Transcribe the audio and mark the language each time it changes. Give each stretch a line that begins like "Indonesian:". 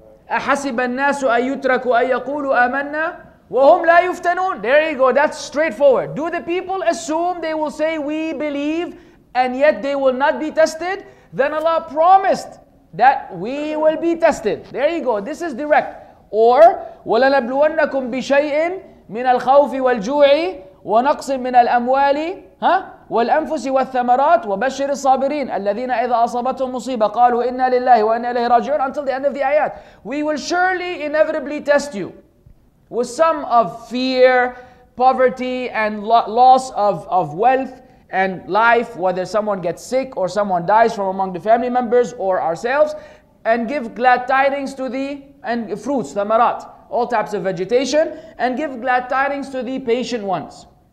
Arabic: أَحَسِبَ النَّاسُ أَيُّتْرَكُ أَيَّقُولُ أَمَنَّا وَهُمْ لَا يُفْتَنُونَ
English: There you go, that's straightforward. Do the people assume they will say, we believe, and yet they will not be tested? Then Allah promised that we will be tested. There you go, this is direct.
Arabic: Or, وَلَنَبْلُوَنَّكُمْ بِشَيْءٍ مِنَ الْخَوْفِ وَالْجُوعِ وَنَقْصٍ مِنَ الْأَمْوَالِ وَالْأَنفُسِ وَالثَّمَرَاتِ وَبَشِّرِ الصَّابِرِينَ الَّذِينَ إِذَا أَصَابَتْهُمْ مُصِيبَةٌ قَالُوا إِنَّا لِلَّهِ وَإِنَّا إِلَيْهِ رَاجِعُونَ
English: Until the end of the ayat. We will surely inevitably test you with some of fear, poverty, and loss of wealth and life, whether someone gets sick or someone dies from among the family members or ourselves, and give glad tidings to the and fruits, ثَمَرَاتِ all types of vegetation, and give glad tidings to the patient ones.